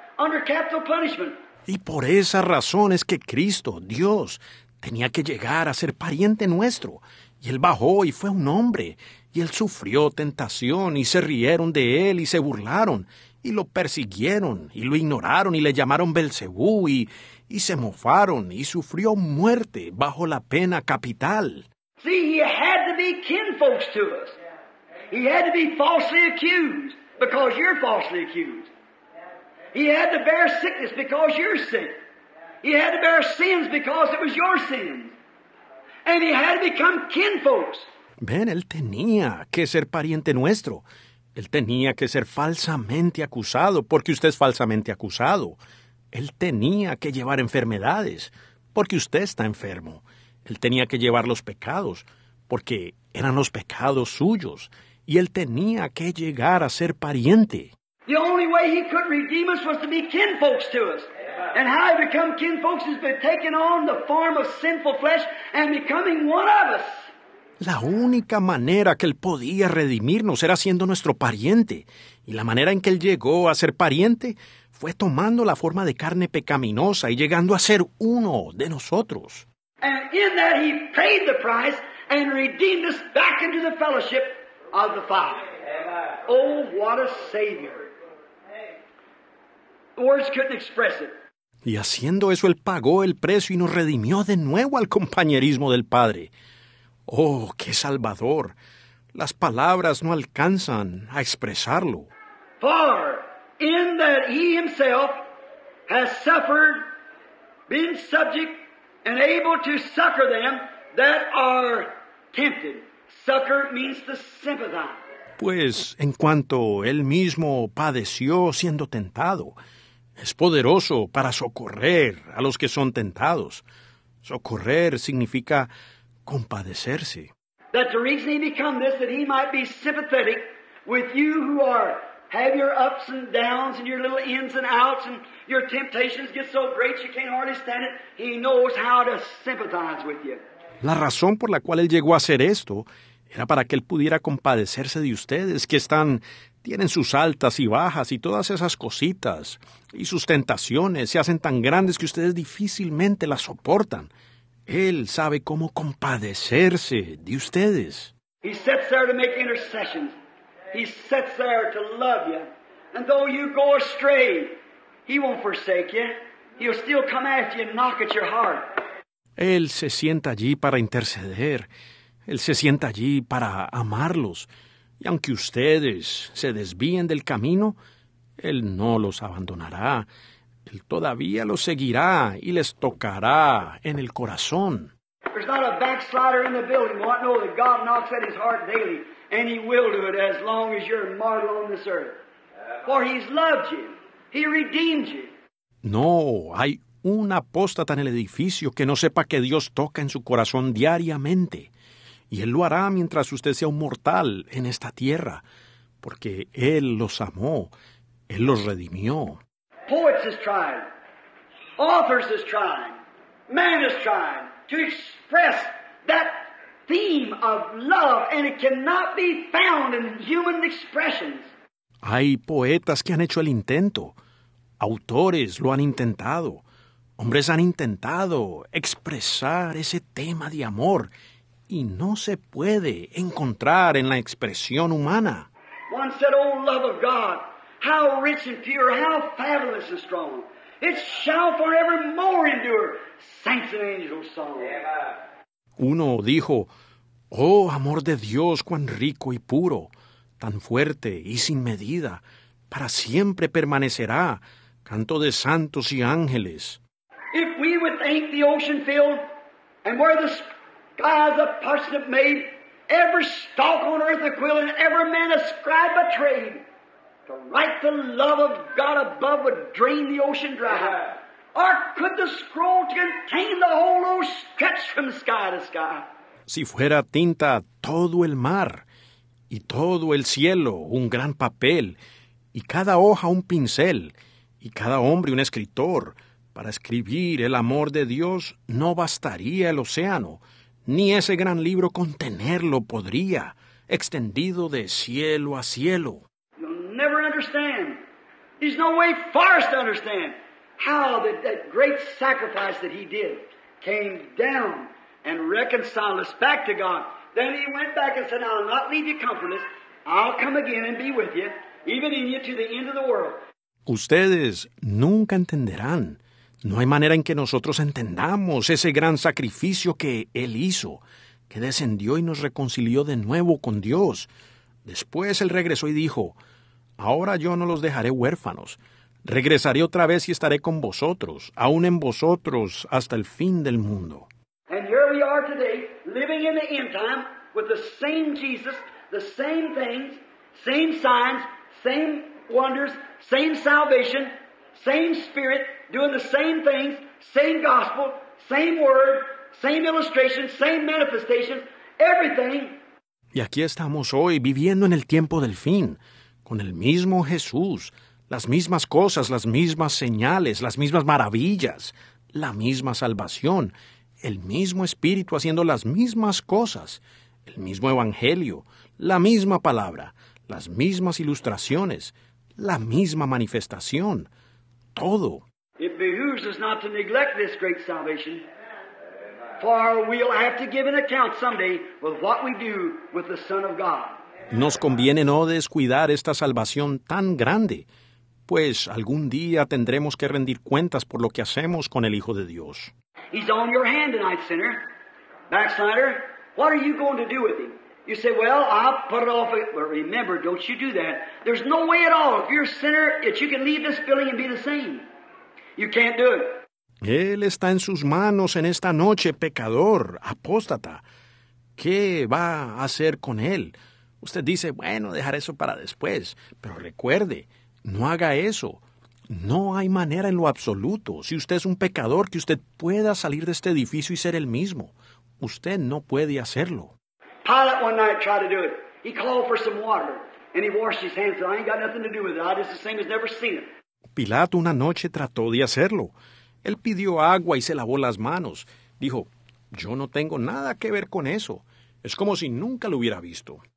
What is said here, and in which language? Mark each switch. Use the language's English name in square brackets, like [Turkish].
[English] Under capital punishment. [Spanish] Y por esa razón es que Cristo, Dios, tenía que llegar a ser pariente nuestro. Y él bajó y fue un hombre. Y él sufrió tentación y se rieron de él y se burlaron. Y lo persiguieron y lo ignoraron y le llamaron Belcebú y se mofaron y sufrió muerte bajo la pena capital. [English] See, he had to be kinfolks to us. He had to be falsely accused because you're falsely accused. He had to bear sickness because you're sick. He had to bear sins because it was your sins. And he had to become kinfolks. [Spanish] Ben, él tenía que ser pariente nuestro. Él tenía que ser falsamente acusado porque usted es falsamente acusado. Él tenía que llevar enfermedades porque usted está enfermo. Él tenía que llevar los pecados porque eran los pecados suyos. Y él tenía que llegar a ser pariente. [English] The only way he could redeem us was to be kinfolks to us. And how he became kinfolks is by taking on the form of sinful flesh and becoming one of us. [Spanish] La única manera que él podía redimirnos era siendo nuestro pariente. Y la manera en que él llegó a ser pariente fue tomando la forma de carne pecaminosa y llegando a ser uno de nosotros. [English] And in that he paid the price and redeemed us back into the fellowship of the Father. Oh, what a Savior. Words couldn't express it. [Spanish] Y haciendo eso, Él pagó el precio y nos redimió de nuevo al compañerismo del Padre. ¡Oh, qué salvador! Las palabras no alcanzan a expresarlo. [English] For in that he himself has suffered, been subject, and able to succor them that are tempted. Succor means to sympathize. [Spanish] Pues en cuanto Él mismo padeció siendo tentado, es poderoso para socorrer a los que son tentados. Socorrer significa compadecerse. [English] That the reason he become this, that he might be sympathetic with you who are, have your ups and downs and your little ins and outs and your temptations get so great you can't hardly stand it. He knows how to sympathize with you. [Spanish] La razón por la cual Él llegó a hacer esto era para que Él pudiera compadecerse de ustedes que están, tienen sus altas y bajas y todas esas cositas y sus tentaciones se hacen tan grandes que ustedes difícilmente las soportan. Él sabe cómo compadecerse de ustedes. [English] He sits there to make intercessions. He sits there to love you. And though you go astray, he won't forsake you. He'll still come after you and knock at your heart. [Spanish] Él se sienta allí para interceder. Él se sienta allí para amarlos. Y aunque ustedes se desvíen del camino, Él no los abandonará. Él todavía los seguirá y les tocará en el corazón. [English] There's not a backslider in the building. Well, I know that God knocks at his heart daily, and he will do it as long as you're mortal on this earth. For he's loved you. He redeemed you. [Spanish] No, hay un apóstata en el edificio que no sepa que Dios toca en su corazón diariamente. Y Él lo hará mientras usted sea un mortal en esta tierra, porque Él los amó, Él los redimió. [English] Poets is trying, authors is trying, man is trying to express that theme of love, and it cannot be found in human expressions. [Spanish] Hay poetas que han hecho el intento, autores lo han intentado, hombres han intentado expresar ese tema de amor, y no se puede encontrar en la expresión humana. [English] One said, oh, love of God, how rich and pure, how fabulous and strong. It shall forevermore endure, saints and angels song. [Spanish] Uno dijo, oh, amor de Dios, cuán rico y puro, tan fuerte y sin medida, para siempre permanecerá, canto de santos y ángeles. [English] If we would thank the ocean field and where the God the person that made every stalk on earth a quill and every man a scribe a trade. To write the love of God above would drain the ocean dry. Or could the scroll contain the whole ocean stretch from sky to sky? [Spanish] Si fuera tinta todo el mar y todo el cielo un gran papel y cada hoja un pincel y cada hombre un escritor para escribir el amor de Dios no bastaría el océano. Ni ese gran libro contenerlo podría, extendido de cielo a cielo. [English] You'll never understand. There's no way for us to understand how that great sacrifice that he did came down and reconciled us back to God. Then he went back and said, I'll not leave you comfortless. I'll come again and be with you, even in you to the end of the world. [Spanish] Ustedes nunca entenderán. No hay manera en que nosotros entendamos ese gran sacrificio que Él hizo, que descendió y nos reconcilió de nuevo con Dios. Después Él regresó y dijo, ahora yo no los dejaré huérfanos. Regresaré otra vez y estaré con vosotros, aún en vosotros, hasta el fin del mundo. [English] And here we are today, living in the end time, with the same Jesus, the same things, same signs, same wonders, same salvation, same spirit, doing the same things, same gospel, same word, same illustration, same manifestation, everything. [Spanish] Y aquí estamos hoy viviendo en el tiempo del fin, con el mismo Jesús, las mismas cosas, las mismas señales, las mismas maravillas, la misma salvación, el mismo Espíritu haciendo las mismas cosas, el mismo Evangelio, la misma palabra, las mismas ilustraciones, la misma manifestación, todo. [English] It behooves us not to neglect this great salvation, for we'll have to give an account someday with what we do with the Son of God. [Spanish] Nos conviene no descuidar esta salvación tan grande, Pues algún día tendremos que rendir cuentas por lo que hacemos con el Hijo de Dios. [English] He's on your hand tonight, sinner. Backslider, what are you going to do with him? You say, well, I'll put it off. But remember, don't you do that. There's no way at all, if you're a sinner, that you can leave this building and be the same. You can't do it. [Spanish] Él está en sus manos en esta noche, pecador, apóstata. ¿Qué va a hacer con él? Usted dice, bueno, dejar eso para después. Pero recuerde, no haga eso. No hay manera en lo absoluto. Si usted es un pecador, que usted pueda salir de este edificio y ser el mismo. Usted no puede hacerlo. [English] Pilate one night tried to do it. He called for some water and he washed his hands. I ain't got nothing to do with it. I just the same as never seen it. [Spanish] Pilato una noche trató de hacerlo. Él pidió agua y se lavó las manos. Dijo, yo no tengo nada que ver con eso. Es como si nunca lo hubiera visto.